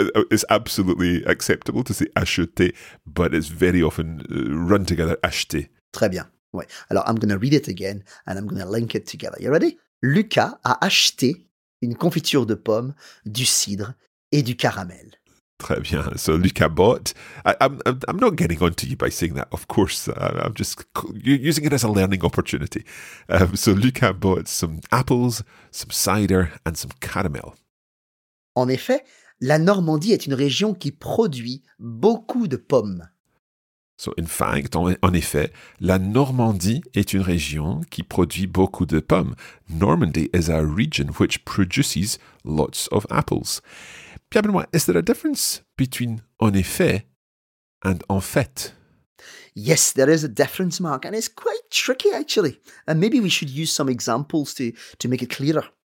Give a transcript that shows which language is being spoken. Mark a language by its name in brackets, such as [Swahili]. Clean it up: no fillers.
[English] It's absolutely acceptable to say acheter, but it's very often run together, acheter. [French] Très bien, ouais. [English] Alors, I'm going to read it again and I'm going to link it together. You ready? [French] Lucas a acheté une confiture de pommes, du cidre et du caramel. Très bien. [English] So Lucas bought. I'm not getting on to you by saying that, of course. I'm just using it as a learning opportunity. So Lucas bought some apples, some cider and some caramel. [French] En effet, la Normandie est une région qui produit beaucoup de pommes. [English] So in fact, [French] en effet, la Normandie est une région qui produit beaucoup de pommes. [English] Normandy is a region which produces lots of apples. Pierre-Benoît, is there a difference between en effet and en fait? Yes, there is a difference, Mark, and it's quite tricky actually. And maybe we should use some examples to make it clearer.